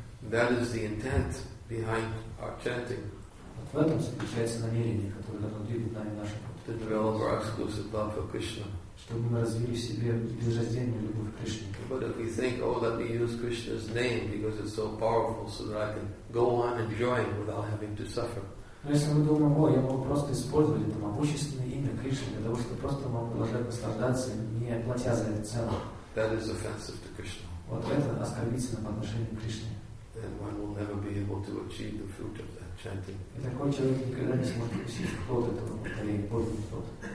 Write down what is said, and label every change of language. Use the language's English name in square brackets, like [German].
[English] That is the intent behind our chanting. To develop our exclusive love for Krishna. But if we think, oh, let me use Krishna's name because it's so powerful so that I can go on enjoying without having to suffer. [Russian] Но если мы думаем, о, я могу просто использовать это могущественное имя Кришны для того, чтобы просто мог продолжать наслаждаться, не платя за это цену. [English] That is offensive to Krishna. [Russian] Вот это оскорбительно по отношению к Кришне. [English] Then one will never be able to achieve the fruit of that chanting. [Russian] И такой человек никогда не сможет получить плод этого повторения, поздний плод.